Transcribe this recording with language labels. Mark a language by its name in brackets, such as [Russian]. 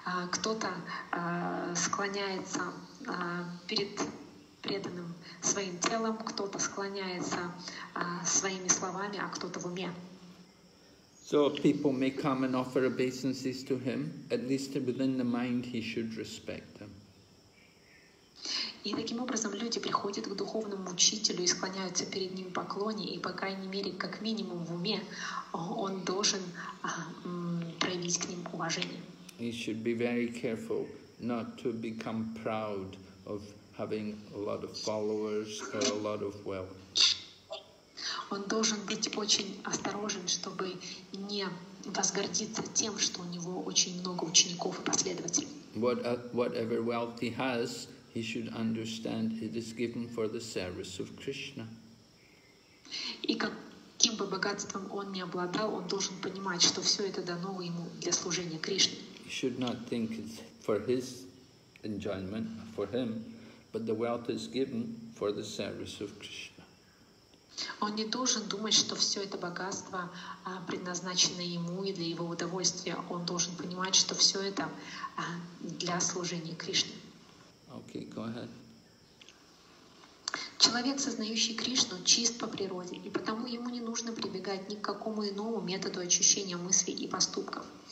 [Russian] Кто-то склоняется перед преданным своим телом, кто-то склоняется своими словами, а кто-то в уме. [English] So people may come and offer obeisances to him, at least within the mind he should respect them. [Russian] И таким образом люди приходят к духовному учителю и склоняются перед ним в поклоне, и по крайней мере, как минимум в уме, он должен проявить к ним уважение. [English] He should be very careful not to become proud of having a lot of followers or a lot of wealth. [Russian] Он должен быть очень осторожен, чтобы не возгордиться тем, что у него очень много учеников и последователей. [English] Whatever wealth he has, he should understand it is given for the service of Krishna. [Russian] И каким бы богатством он ни обладал, он должен понимать, что все это дано ему для служения Кришне. [English] He should not think it's for his enjoyment, for him, but the wealth is given for the service of Krishna. [Russian] Он не должен думать, что все это богатство предназначено ему и для его удовольствия. Он должен понимать, что все это для служения Кришне. [English] Okay, go ahead. [Russian] Человек, сознающий Кришну, чист по природе, и потому ему не нужно прибегать ни к какому иному методу очищения мыслей и поступков.